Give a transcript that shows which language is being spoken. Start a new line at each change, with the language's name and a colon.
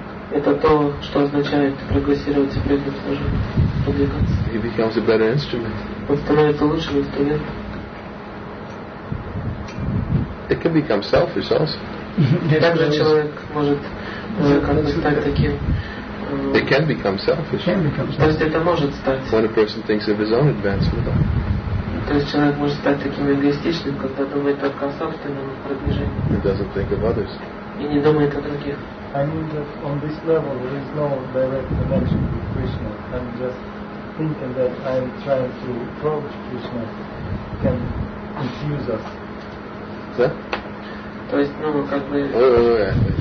Russian: Это то, что означает прогрессировать и преданное служение. Он становится лучшим инструментом.
English: It can become selfish also.
Russian: Также человек может стать таким.
English: It can become selfish.
Russian: То есть это может стать.
English: When a person thinks of his own advancement.
Russian: То есть человек может стать таким эгоистичным, когда думает только о собственном продвижении.
English: He doesn't think of others.
Russian: И не думает о других.
English: I mean that on this level there is no direct connection with Krishna. I'm just thinking that I'm trying to approach Krishna can confuse us.
Russian: То есть, ну, как бы...